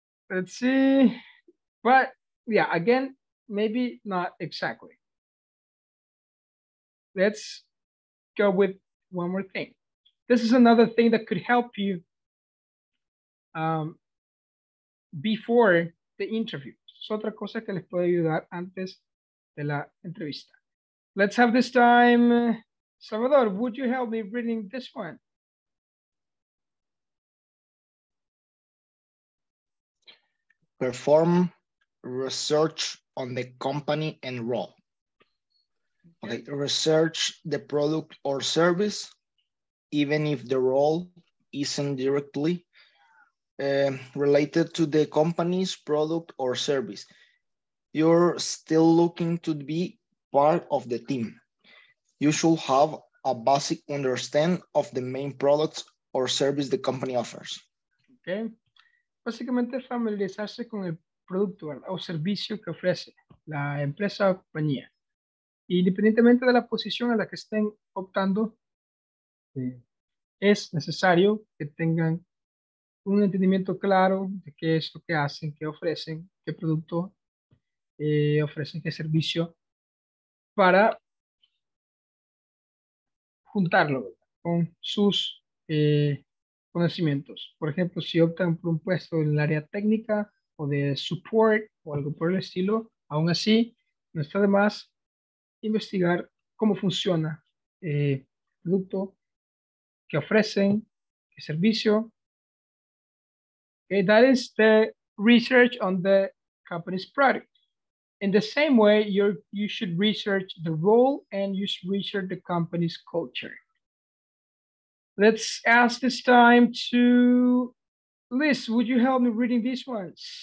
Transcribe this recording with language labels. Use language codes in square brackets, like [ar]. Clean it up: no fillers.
[en] Let's see. But yeah, again, maybe not exactly. Let's go with one more thing. This is another thing that could help you before the interview. [es] Es otra cosa que les puede ayudar antes de la entrevista. [en] Let's have this time, Salvador, would you help me reading this one? Perform research on the company and role. Okay, research the product or service, even if the role isn't directly related to the company's product or service. You're still looking to be part of the team. You should have a basic understanding of the main products or service the company offers. [es] Okay. Básicamente familiarizarse con el producto, ¿verdad? O servicio que ofrece la empresa o compañía. Independientemente de la posición a la que estén optando, es necesario que tengan un entendimiento claro de qué es lo que hacen, qué ofrecen, qué producto ofrecen, qué servicio, para juntarlo, ¿verdad? Con sus conocimientos. Por ejemplo, si optan por un puesto en el área técnica o de support o algo por el estilo, aún así, no está de más investigar cómo funciona el producto que ofrecen, qué servicio. [en] Okay, that is the research on the company's product. In the same way, you should research the role and you should research the company's culture. Let's ask this time to Liz, would you help me reading these ones?